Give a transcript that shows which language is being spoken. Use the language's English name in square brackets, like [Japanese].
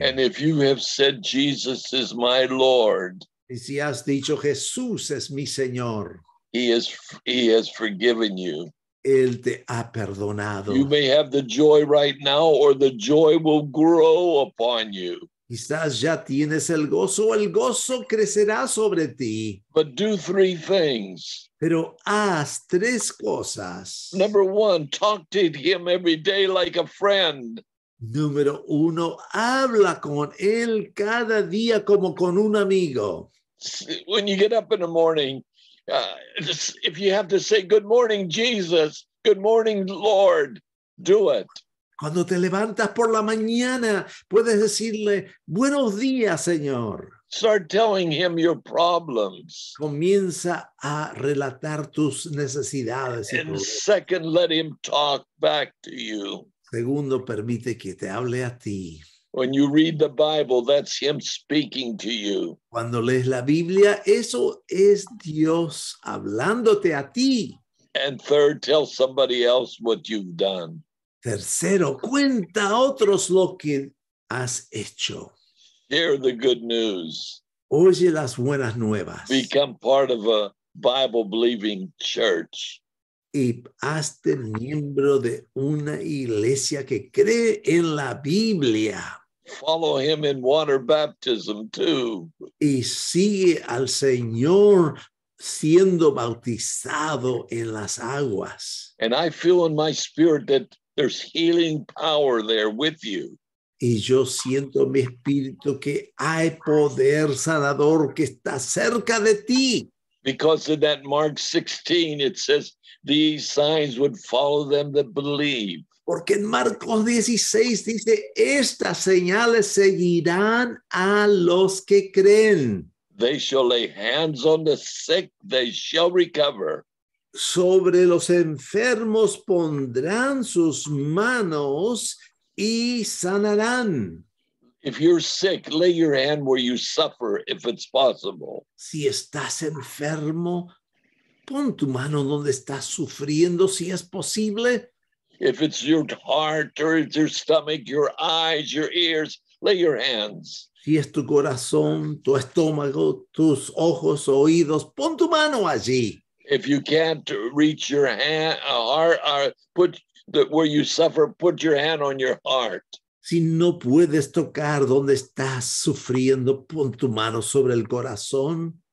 [English] And if you have said Jesus is my Lord. [Spanish] Y si has dicho Jesús es mi Señor. [English] He has forgiven you. [Spanish] Él te ha perdonado. [English] You may have the joy right now or the joy will grow upon you. [Spanish] Quizás ya tienes el gozo, o el gozo crecerá sobre ti. [English] But do three things. [Spanish] Pero haz tres cosas. [English] Number one, talk to him every day like a friend. [Spanish] Número uno, habla con él cada día como con un amigo. [English] When you get up in the morning, if you have to say, good morning, Jesus, good morning, Lord, do it. [Spanish] Cuando te levantas por la mañana, puedes decirle, buenos días, Señor. [English] Start telling him your problems. [Spanish] Comienza a relatar tus necesidades. [English] And second, let him talk back to you. [Spanish] Segundo, permite que te hable a ti. [English] When you read the Bible, that's him speaking to you. [Spanish] Cuando lees la Biblia, eso es Dios hablándote a ti. [English] And third, tell somebody else what you've done. [Spanish] Tercero, cuenta a otros lo que has hecho. [English] Hear the good news. [Spanish] Oye las buenas nuevas. [English] Become part of a Bible-believing church. [Spanish] Y hazte miembro de una iglesia que cree en la Biblia. [English] Follow him in water baptism too. [Spanish] Y sigue al Señor siendo bautizado en las aguas. [English] And I feel in my spirit that there's healing power there with you. [Spanish] Y yo siento en mi espíritu que hay poder sanador que está cerca de ti. [English] Because of that Mark 16, it says these signs would follow them that believe. [Spanish] Porque en Marcos 16 dice, estas señales seguirán a los que creen. [English] They shall lay hands on the sick, they shall recover. [Spanish] Sobre los enfermos pondrán sus manos y sanarán. [English] If you're sick, lay your hand where you suffer, if it's possible. [Spanish] Si estás enfermo, pon tu mano donde estás sufriendo, si es posible. [English] If it's your heart or it's your stomach, your eyes, your ears, lay your hands. [Spanish] Si es tu corazón, tu estómago, tus ojos, oídos, pon tu mano allí. [English] If you can't reach your hand, where you suffer, put your hand on your heart. [Spanish] Si no puedes tocar donde estás sufriendo, pon tu mano sobre el corazón.